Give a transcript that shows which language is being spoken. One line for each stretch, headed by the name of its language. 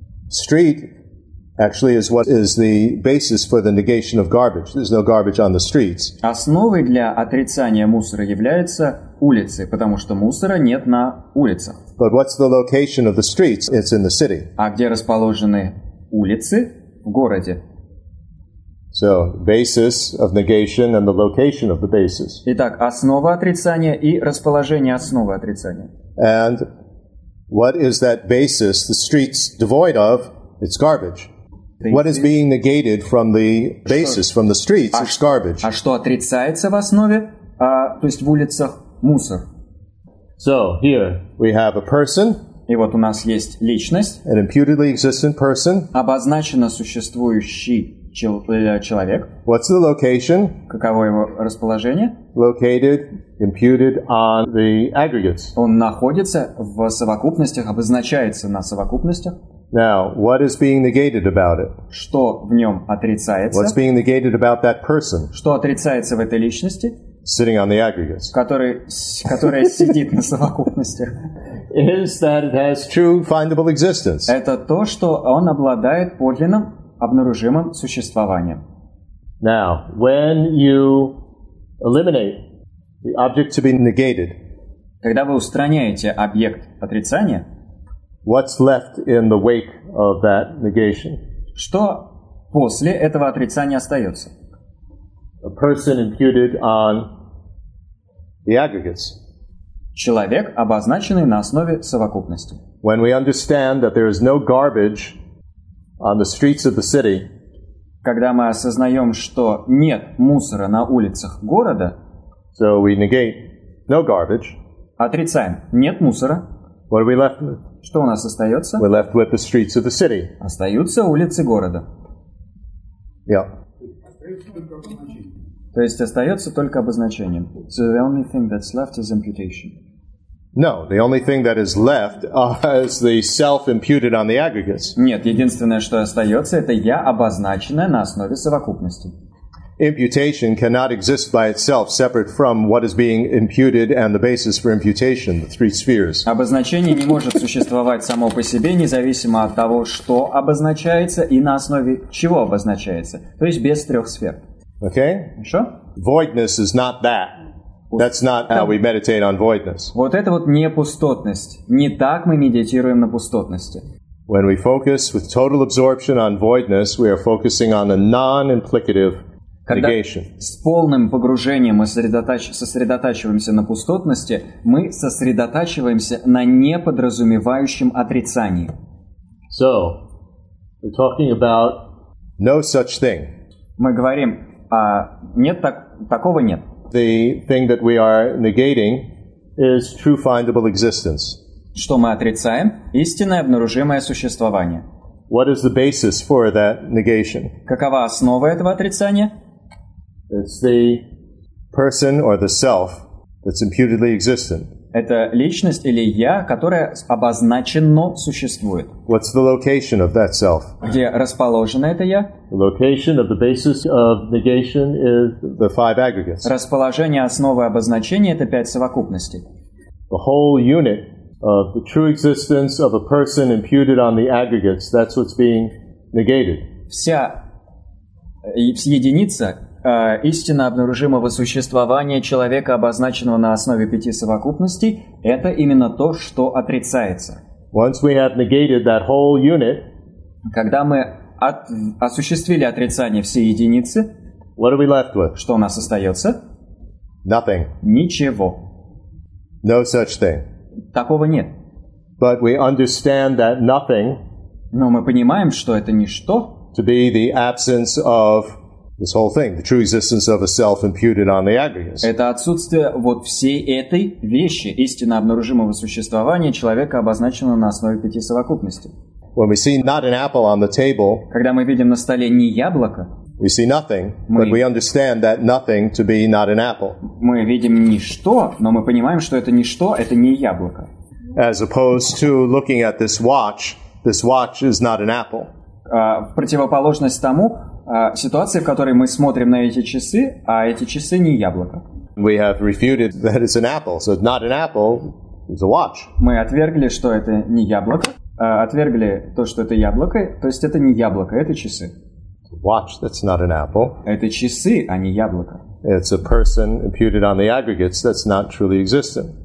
English: Street actually is what is the basis for the negation of garbage. There's no garbage on the streets.
Russian: Основой для отрицания мусора являются улицы, потому что мусора нет на улицах.
English: But what's the location of the streets? It's in the city.
Russian: А где расположены улицы? В городе.
English: So, basis of negation and the location of the basis.
Russian: Итак, основа отрицания и расположение основы отрицания.
English: And what is that basis, the streets devoid of? It's garbage. What is being negated from the basis, from the streets, it's garbage.
Russian: А что отрицается в основе, то есть в улицах, мусор.
English: So, here we have a person.
Russian: И вот у нас есть личность.
English: An imputedly existent person.
Russian: Обозначено существующий человек.
English: What's the location?
Russian: Каково его расположение?
English: Located, imputed on the aggregates.
Russian: Он находится в совокупностях, обозначается на совокупностях.
English: Now, what is being negated about it?
Russian: Что в нем отрицается?
English: What's being negated about that person?
Russian: Что отрицается в этой личности?
English: Sitting on the aggregates.
Russian: Которая сидит на совокупностях.
English: Is that it has true findable existence.
Russian: Это то, что он обладает подлинным обнаружимым существованием.
English: Now, when you eliminate the object to be negated,
Russian: когда вы устраняете объект отрицания,
English: what's left in the wake of that negation?
Russian: Что после этого отрицания остается?
English: A person imputed on the aggregates.
Russian: Человек, обозначенный на основе совокупности.
English: When we understand that there is no garbage on the streets of the city,
Russian: когда мы осознаем, что нет мусора на улицах города,
English: so we negate no garbage.
Russian: Отрицаем, нет мусора.
English: What are we left with?
Russian: Что у нас остается?
English: We're left with the streets of the city.
Russian: Остаются улицы города.
English: Yeah.
Russian: То есть остается только обозначение.
English: So the only thing that's left is imputation. No, the only thing that is left is the self imputed on the aggregates.
Russian: Нет, единственное, что остается, это я, обозначенное на основе совокупности.
English: Imputation cannot exist by itself, separate from what is being imputed and the basis for imputation, the three spheres.
Russian: Обозначение не может существовать само по себе, независимо от того, что обозначается и на основе чего обозначается. То есть без трех сфер.
English: Okay?
Russian: Хорошо?
English: Voidness is not that. That's not how we meditate on voidness.
Russian: Вот это вот не пустотность. Не так мы медитируем на пустотности.
English: When we focus with total absorption on voidness, we are focusing on a non-implicative negation.
Russian: Когда с полным погружением мы сосредотачиваемся на пустотности, мы сосредотачиваемся на неподразумевающем отрицании.
English: So, we're talking about no such thing.
Russian: Мы говорим, а нет, такого нет.
English: The thing that we are negating is true findable existence.
Russian: Что мы отрицаем? Истинное обнаружимое существование.
English: What is the basis for that negation?
Russian: Какова основа этого отрицания?
English: It's the person or the self that's imputedly existent.
Russian: Это личность или я, которое обозначено существует.
English: What's the location of that self?
Russian: Где расположено это я?
English: The location of the basis of negation is the five aggregates.
Russian: Расположение основы обозначения — это пять совокупностей.
English: The whole unit of the true existence of a person imputed on the aggregates, that's what's being negated.
Russian: Вся единица истинно обнаружимого существования человека, обозначенного на основе пяти совокупностей, это именно то, что отрицается.
English: Once we have negated that whole unit,
Russian: когда мы осуществили отрицание всей единицы,
English: what are we left with?
Russian: Что у нас остается?
English: Nothing.
Russian: Ничего.
English: No such thing.
Russian: Такого нет.
English: But we understand that nothing,
Russian: но мы понимаем, что это ничто,
English: to be the absence of this whole thing, the true existence of a self imputed on the aggregates.
Russian: Это отсутствие вот всей этой вещи, истинно обнаружимого существования человека, обозначенного на основе пяти совокупностей.
English: When we see not an apple on the table,
Russian: когда мы видим на столе не яблоко,
English: we see nothing, but we understand that nothing to be not an apple.
Russian: Мы видим ничто, но мы понимаем, что это ничто, это не яблоко.
English: As opposed to looking at this watch is not an apple.
Russian: В противоположность тому, ситуации, в которой мы смотрим на эти часы, а эти часы не яблоко.
English: We have refuted that it's an apple. So not an apple, it's a watch.
Russian: Мы отвергли, что это не яблоко, отвергли то, что это яблоко, то есть это не яблоко, это часы.
English: Watch, that's not an apple.
Russian: Это часы, а не яблоко.
English: It's a person imputed on the aggregates, that's not truly existent.